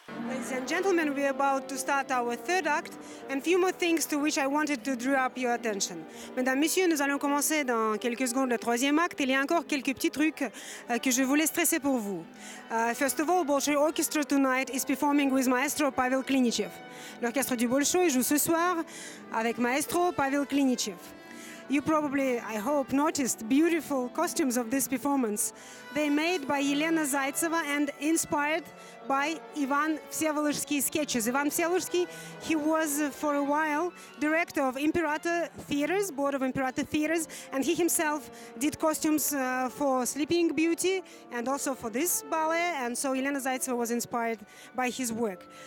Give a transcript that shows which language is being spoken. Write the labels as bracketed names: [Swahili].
[English] Ladies and gentlemen, we are about to start our third act, and a few more things to which I wanted to draw up your attention. [French] Mesdames, Messieurs, nous allons commencer dans quelques secondes le troisième acte. Il y a encore quelques petits trucs que je voulais stresser pour vous. [English] First of all, Bolshoi Orchestra tonight is performing with Maestro Pavel Klinichev. [French] L'orchestre du Bolshoi joue ce soir avec Maestro Pavel Klinichev. [English] You probably, I hope, noticed beautiful costumes of this performance. They made by Elena Zaitseva and inspired by Ivan Vsevolozhsky's sketches. Ivan Vsevolozhsky, he was for a while director of Imperator Theatres, Board of Imperator Theatres, and he himself did costumes for Sleeping Beauty and also for this ballet, and so Elena Zaitseva was inspired by his work.